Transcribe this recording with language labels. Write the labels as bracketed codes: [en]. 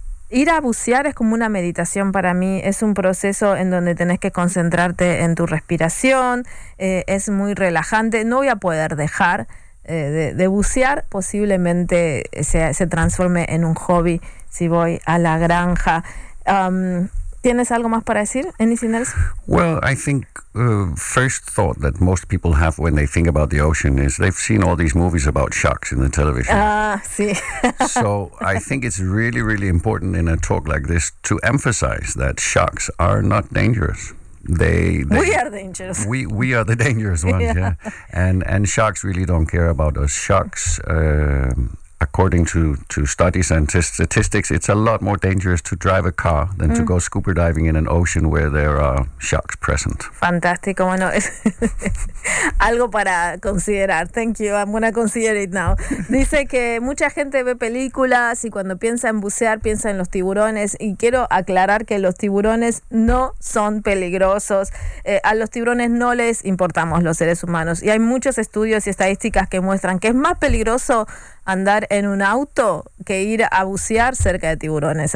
[es] Ir a bucear es como una meditación para mí, es un proceso en donde tenés que concentrarte en tu respiración, es muy relajante, no voy a poder dejar de bucear, posiblemente se transforme en un hobby si voy a la granja. ¿Tienes algo más para decir? [en] Anything else? Well, I think first thought that most people have when they think about the ocean is they've seen all these movies about sharks in the television. [es] Ah, sí. [en] So I think it's really, really important in a talk like this to emphasize that sharks are not dangerous. We are dangerous. We are the dangerous ones, yeah. And sharks really don't care about us. Sharks, according to studies and statistics, it's a lot more dangerous to drive a car than to go scuba diving in an ocean where there are sharks present. [es] Fantástico, bueno, algo para considerar. [en] Thank you, I'm going to consider it now. [es] Dice que mucha gente ve películas y cuando piensa en bucear piensa en los tiburones, y quiero aclarar que los tiburones no son peligrosos. A los tiburones no les importamos los seres humanos, y hay muchos estudios y estadísticas que muestran que es más peligroso andar en un auto que ir a bucear cerca de tiburones.